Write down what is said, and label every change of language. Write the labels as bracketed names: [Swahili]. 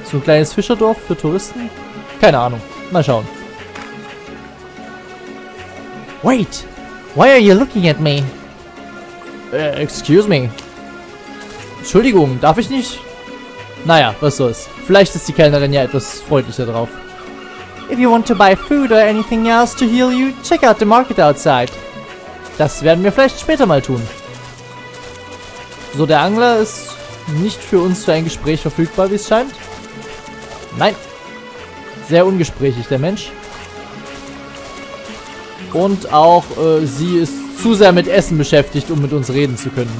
[German] So ein kleines Fischerdorf für Touristen? Keine Ahnung. Mal schauen. [English] Wait! Why are you looking at me? Excuse me. [German] Entschuldigung, darf ich nicht? Naja, was soll's. Vielleicht ist die Kellnerin ja etwas freundlicher drauf. [English] If you want to buy food or anything else to heal you, check out the market outside. [German] Das werden wir vielleicht später mal tun. So, der Angler ist nicht für uns für ein Gespräch verfügbar, wie es scheint. Nein. Sehr ungesprächig, der Mensch. Und auch sie ist zu sehr mit Essen beschäftigt, um mit uns reden zu können.